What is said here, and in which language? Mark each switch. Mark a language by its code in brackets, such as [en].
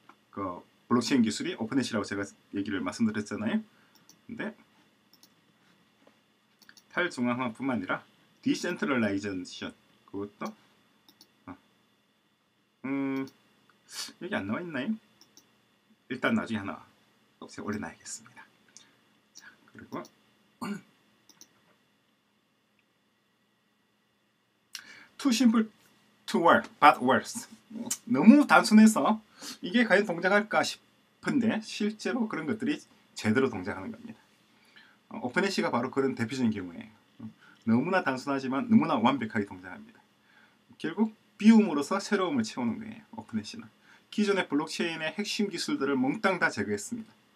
[ko] 그 블록체인 기술이 오픈에시라고 제가 얘기를 말씀드렸잖아요. 근데 탈중앙화뿐만 아니라 디센트럴라이제이션 그것도 여기 안 나와 있나요? 일단 나중에 하나 없애 올려놔야겠습니다. 자, 그리고 [en] Too simple to work, but works. [ko] 너무 단순해서 이게 과연 동작할까 싶은데 실제로 그런 것들이 제대로 동작하는 겁니다. 오픈에시가 바로 그런 대표적인 경우예요. 너무나 단순하지만 너무나 완벽하게 동작합니다. 결국 비움으로서 새로움을 채우는 거예요. 오픈에시는 기존의 블록체인의 핵심 기술들을 몽땅 다 제거했습니다.